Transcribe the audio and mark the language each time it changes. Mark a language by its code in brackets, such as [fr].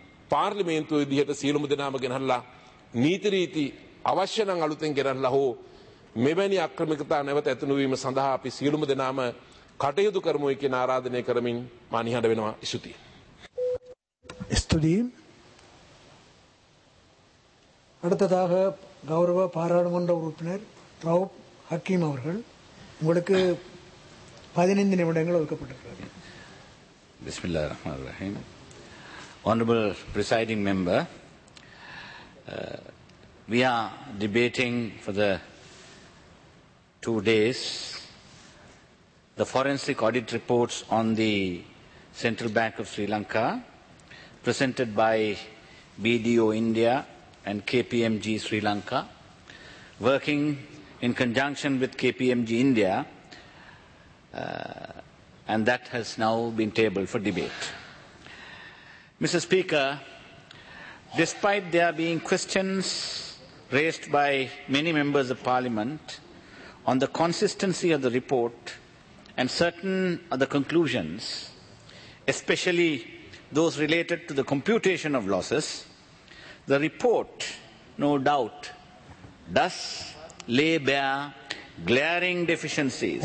[si] පාර්ලිමේන්තුව විදිහට සියලුම දෙනාම ගෙනහල්ලා නීති රීති අවශ්‍ය නම් අලුතෙන් ගෙනහල්ලා හෝ මෙවැනි අක්‍රමිකතා නැවත ඇතුණු වීම සඳහා අපි සියලුම දෙනාම කටයුතු කරමුයි කියන ආරාධනය කරමින් මා නිහඬ වෙනවා ඉසුති. ස්තුතියි. [ta] அடுத்ததாக கௌரவ பாராளுமன்ற உறுப்பினர் ரவுப் ஹக்கீம் அவர்கள் உங்களுக்கு 15 நிமிடங்கள் ஒதுக்கப்பட்டிருக்கிறது. [ar] பிஸ்மில்லாஹிர் ரஹ்மானிர் ரஹீம். [en] Honourable presiding member, we are debating for the 2 days the forensic audit reports on the central bank of Sri Lanka பிரசென்டட் by BDO India and KPMG Sri Lanka, working in conjunction with KPMG India, and that has now been tabled for debate. Mr. Speaker, despite there being questions raised by many members of Parliament on the consistency of the report and certain other conclusions, especially those related to the computation of losses, the report, no doubt, does lay bare glaring deficiencies.